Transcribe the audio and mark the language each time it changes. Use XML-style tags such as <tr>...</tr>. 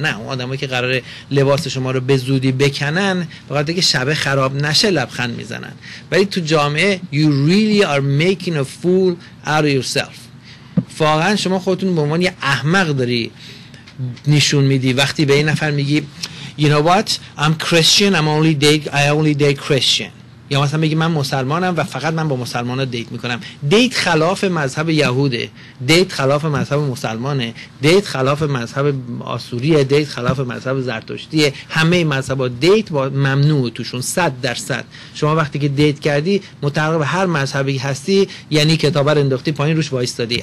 <fa>نه، اون آدم هایی که قراره لباس شما رو به زودی بکنن، فقط اگه شب خراب نشه لبخند میزنن. ولی تو جامعه</fa> <en>you really are making a fool out of yourself،</en> <fa>واقعا شما خودتون به عنوان یه احمق داری نشون میدی وقتی به این نفر میگی</fa> <en>you know what, I'm Christian, I only date Christian.</en> <fa>یا مثلا بگی من مسلمانم و فقط من با مسلمان ها دیت میکنم. دیت خلاف مذهب یهوده، دیت خلاف مذهب مسلمانه، دیت خلاف مذهب آسوریه، دیت خلاف مذهب زرتشتیه. همه مذهب ها دیت با ممنوع توشون 100%. شما وقتی که دیت کردی متعلق به هر مذهبی هستی، یعنی کتاب رو انداختی پایین روش وایستادی.</fa>